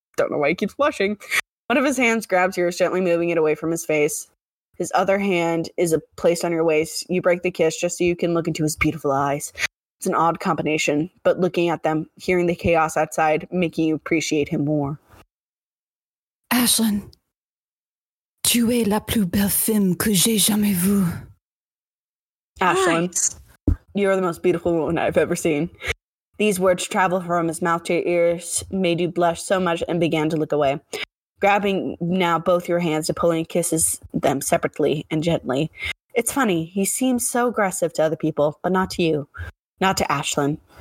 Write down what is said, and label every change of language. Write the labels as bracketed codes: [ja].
[en] Don't know why he keeps blushing. One of his hands grabs yours, gently moving it away from his face. His other hand is placed on your waist. You break the kiss just so you can look into his beautiful eyes. It's an odd combination, but looking at them, hearing the chaos outside, making you appreciate him more. [fr] Ashlynn, tu es la plus belle femme que j'ai jamais vue. [en] Ashlynn, you are the most beautiful woman I've ever seen. These words travel from his mouth to your ears, made you blush so much and began to look away. Grabbing now both your hands, Napoleon kisses them separately and gently. It's funny, he seems so aggressive to other people, but not to you. Not to Ashlynn.